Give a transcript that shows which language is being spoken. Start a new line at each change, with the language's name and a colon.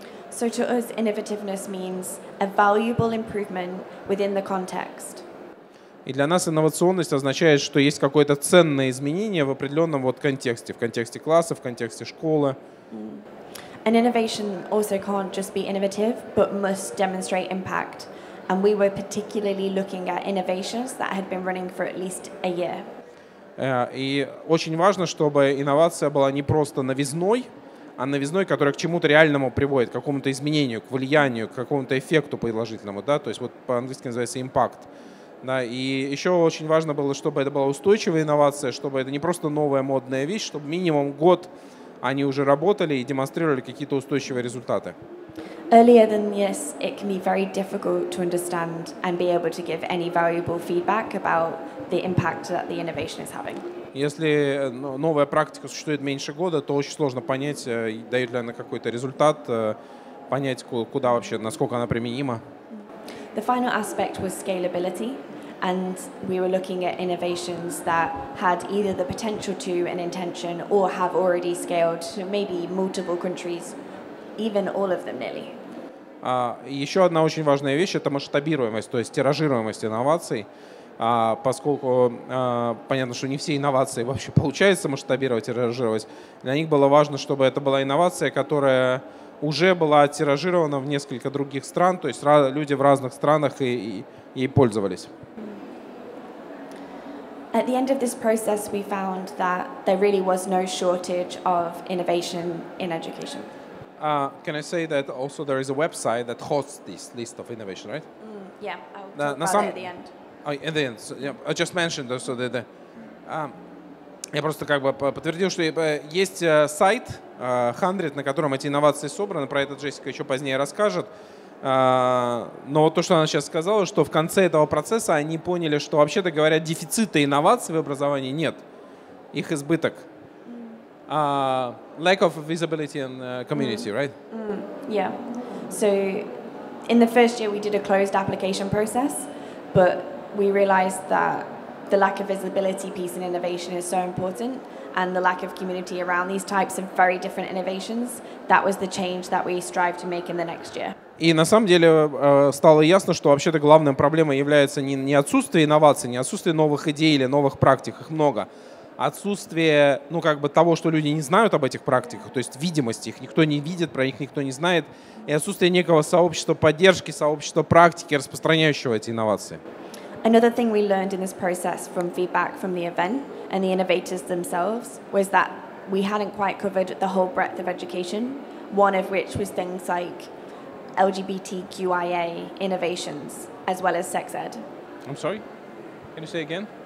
English: So to us, innovativeness means a valuable improvement within the context.
Russian: И для нас инновационность означает, что есть какое-то ценное изменение в определенном вот контексте, в контексте класса, в контексте школы.
English: And innovation also can't just be innovative, but must demonstrate impact. And we were particularly looking at innovations that had been running for at least a year.
Russian: И очень важно, чтобы инновация была не просто новизной, а новизной, которая к чему-то реальному приводит, к какому-то изменению, к влиянию, к какому-то эффекту положительному, да, то есть вот по-английски называется impact. Да, и еще очень важно было, чтобы это была устойчивая инновация, чтобы это не просто новая модная вещь, чтобы минимум год они уже работали и демонстрировали какие-то устойчивые результаты.
English: Earlier than this, it can be very difficult to understand and be able to give any valuable feedback about the impact that the innovation is having.
Russian: Если новая практика существует меньше года, то очень сложно понять, дает ли она какой-то результат, понять, куда вообще, насколько она применима.
English: The final aspect was scalability, and we were looking at innovations that had either the potential to an intention or have already scaled to maybe multiple countries, even all of them nearly.
Russian: Еще одна очень важная вещь — это масштабируемость, то есть тиражируемость инноваций. Поскольку понятно, что не все инновации вообще получается масштабировать и тиражировать, для них было важно, чтобы это была инновация, которая уже была тиражирована в несколько других стран, то есть люди в разных странах ей пользовались.
English: At the end of this process, we found that there really was no shortage of innovation in education. Can I say that also there is a website that hosts this list of innovation, right? Yeah, I'll talk about it at the end. I just mentioned also that the,
Russian: я просто как бы подтвердил, что есть сайт HundrED, на котором эти инновации собраны. Про это Джессика еще позднее расскажет. Но вот то, что она сейчас сказала, что в конце этого процесса они поняли, что вообще-то говоря, дефицита инноваций в образовании нет. Их избыток.
English: Lack of visibility in community, right? Yeah. So in the first year we did a closed application process, but we realized that the lack of visibility piece in innovation is so important, and the lack of community around these types of very different innovations, that was the change that we strive to make in the next year.
Russian: И на самом деле стало ясно, что вообще-то главной проблемой является не отсутствие инноваций, не отсутствие новых идей или новых практик, их много, отсутствие, ну как бы того, что люди не знают об этих практиках, то есть видимости, их никто не видит, про них никто не знает, и отсутствие некого сообщества поддержки, сообщества практики, распространяющего эти инновации.
English: Another thing we learned in this process from feedback from the event and the innovators themselves was that we hadn't quite covered the whole breadth of education, one of which was things like LGBTQIA innovations as well as sex ed. I'm sorry? Can you say again?